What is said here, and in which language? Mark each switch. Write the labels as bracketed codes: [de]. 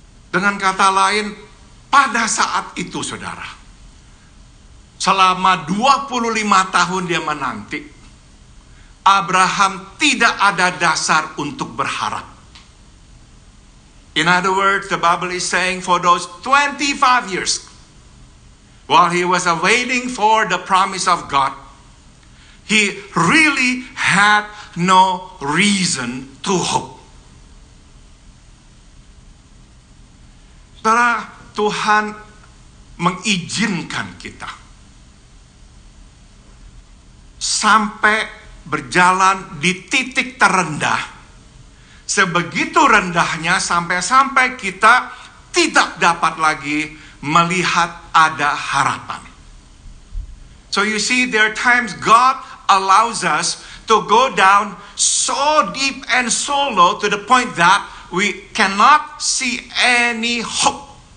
[id] Dengan kata lain, pada saat itu saudara, selama 25 tahun dia menanti, Abraham tidak ada dasar untuk berharap. [en] In other words, the Bible is saying for those 25 years, while he was awaiting for the promise of God, he really had no reason to hope. [id] Setelah Tuhan mengizinkan kita sampai berjalan di titik terendah, sebegitu rendahnya sampai-sampai kita tidak dapat lagi melihat ada harapan. [en] So you see, there are times God allows us to go down so deep and so low to the point that we cannot see any hope.